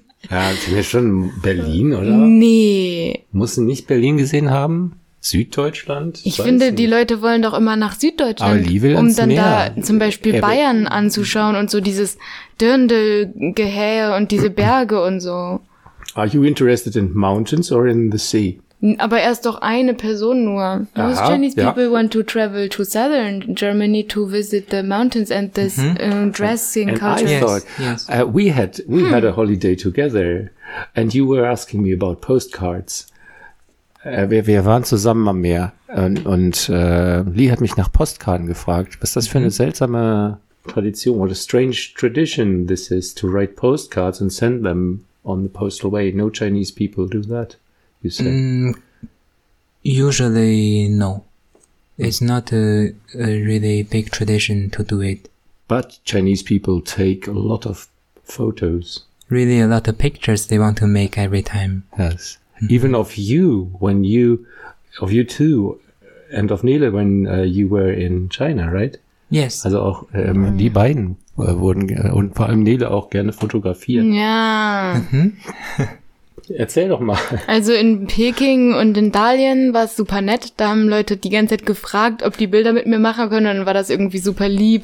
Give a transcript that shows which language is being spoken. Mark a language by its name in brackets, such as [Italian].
[German] Ja, sind wir schon Berlin, oder? Nee. Muss nicht Berlin gesehen haben? Süddeutschland? Ich finde, nicht. Die Leute wollen doch immer nach Süddeutschland, um dann Meer. Da zum Beispiel Bayern anzuschauen und so dieses Dirndl-Gehähe und diese Berge und so. [English] Are you interested in mountains or in the sea? [German] Aber er ist doch eine Person nur. [English] Most Chinese people want to travel to southern Germany to visit the mountains and this dressing culture. I thought, we had a holiday together and you were asking me about postcards. [German] Wir waren zusammen am Meer und Lee hat mich nach Postkarten gefragt. Was ist das für eine seltsame Tradition? [English] What a strange tradition this is to write postcards and send them on the postal way. No Chinese people do that, you said. Usually, no. It's not a really big tradition to do it. But Chinese people take a lot of photos. Really a lot of pictures they want to make every time. Yes. Even of you, when you, of you too, and of Nele, when you were in China, right? Yes. [German] Also auch die beiden wurden, und vor allem Nele auch gerne fotografiert. Ja. Erzähl doch mal. Also in Peking und in Dalian war es super nett. Da haben Leute die ganze Zeit gefragt, ob die Bilder mit mir machen können. Und dann war das irgendwie super lieb.